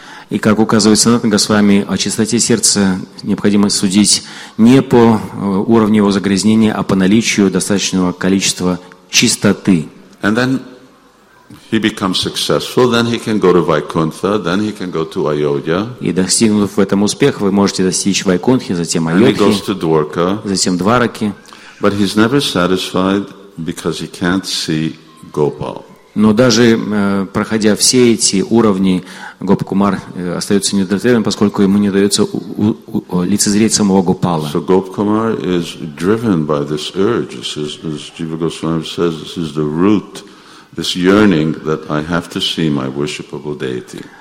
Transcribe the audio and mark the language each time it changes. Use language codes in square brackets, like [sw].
[ru] И как указывает Санатан Госвами, о чистоте сердца необходимо судить не по уровню его загрязнения, а по наличию достаточного количества чистоты. [en] And then he becomes successful, then he can go to Vaikuntha, then he can go to Ayodhya. [ru] И достигнув в этом успех, вы можете достичь Вайкунтхи, затем [en] Айодхи, and he goes to Dwarka, [ru] затем Двараки. [en] But he's never satisfied because he can't see Gopal. [ru] Но даже проходя все эти уровни, Гопа Кумар остается неудовлетворенным, поскольку ему не удается лицезреть самого Гопала. [en] So Gopa Kumar is driven by this urge, as Jiva Goswami says, this is the root, this yearning that I have to see my worshipable deity.